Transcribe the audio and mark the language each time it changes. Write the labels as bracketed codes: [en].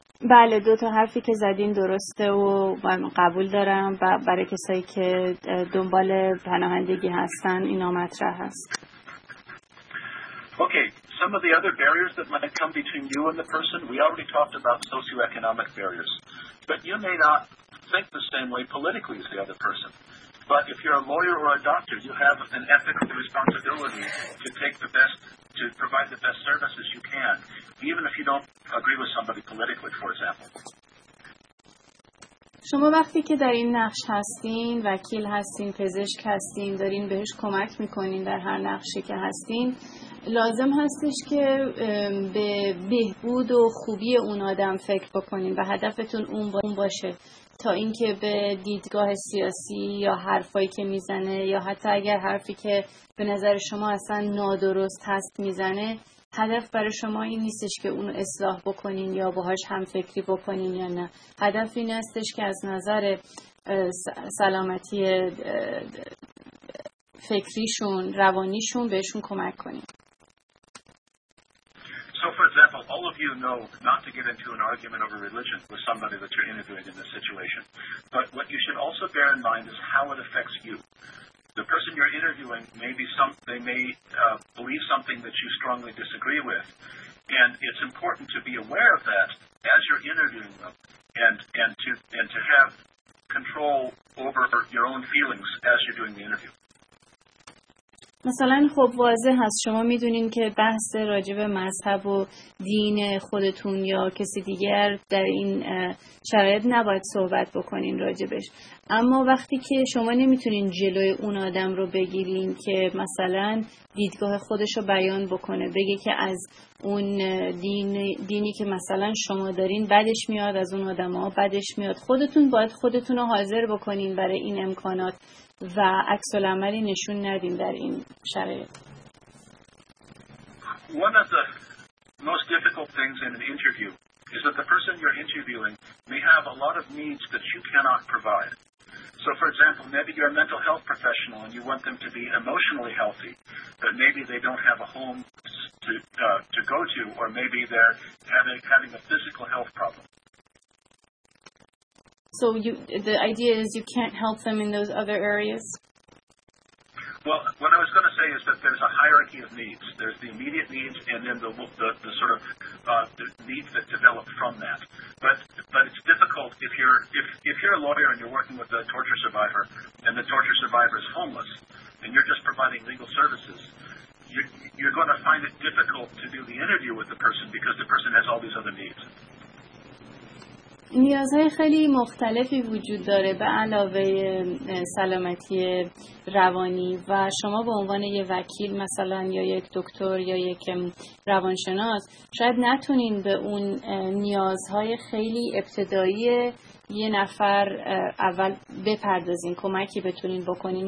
[fa] بله، دو تا حرفی که زدین درسته و من قبول دارم و برای کسایی که دنبال پناهندگی هستن اینا مطرح هست. [en] Okay, some of the other barriers that might come between you and the person, we already talked about socioeconomic barriers. But you may not think the same way politically as the other person. But if you're a lawyer or a doctor, you have an ethical responsibility to take the best, to provide the best services you can, even if you don't agree with somebody politically, for example. [fa] شما وقتی که در این نقش هستین، وکیل هستین، پزشک هستین، دارین بهش کمک میکنین در هر نقشی که هستین، لازم هستش که به بهبود و خوبی اون آدم فکر بکنین و هدفتون اون باشه تا اینکه به دیدگاه سیاسی یا حرفایی که میزنه یا حتی اگر حرفی که به نظر شما اصلا نادرست هست میزنه، هدف برای شما این نیستش که اونو اصلاح بکنین یا باهاش همفکری بکنین یا نه. هدف این هستش که از نظر سلامتی فکریشون، روانیشون بهشون کمک کنین. [en] So for example, all of you know not to get into an argument over religion with somebody that you're interviewing in this situation. But what you should also bear in mind is how it affects you. The person you're interviewing may be some, they may believe something that you strongly disagree with, and it's important to be aware of that as you're interviewing them, and to have control over your own feelings as you're doing the interview. [fa] مثلا خب واضح هست، شما میدونین که بحث راجب مذهب و دین خودتون یا کسی دیگر در این شرایط نباید صحبت بکنین راجبش، اما وقتی که شما نمیتونین جلوی اون آدم رو بگیرین که مثلا دیدگاه خودش رو بیان بکنه، بگه که از اون دینی که مثلا شما دارین بدش میاد، از اون آدم ها بدش میاد، خودتون باید خودتون رو حاضر بکنین برای این امکانات و عکس العملی نشون ندیم در این شرایط. [en] One of the most difficult things in an interview is that the person you're interviewing may have a lot of needs that you cannot provide. So for example, maybe you're a mental health professional and you want them to be emotionally healthy, but maybe they don't have a home to go to, or maybe they're having a physical health problem. So the idea is you can't help them in those other areas? Well, what I was going to say is that there's a hierarchy of needs. There's the immediate needs and then the sort of the needs that develop from that. But it's difficult if you're a lawyer and you're working with a torture survivor and the torture survivor is homeless and you're just providing legal services, you're going to find it difficult to do the interview with the person because the person has all these other needs. [fa] نیازهای خیلی مختلفی وجود داره به علاوه سلامتی روانی و شما به عنوان یک وکیل مثلا یا یک دکتر یا یک روانشناس شاید نتونین به اون نیازهای خیلی ابتدایی یه نفر اول بپردازین، کمکی بتونین بکنین.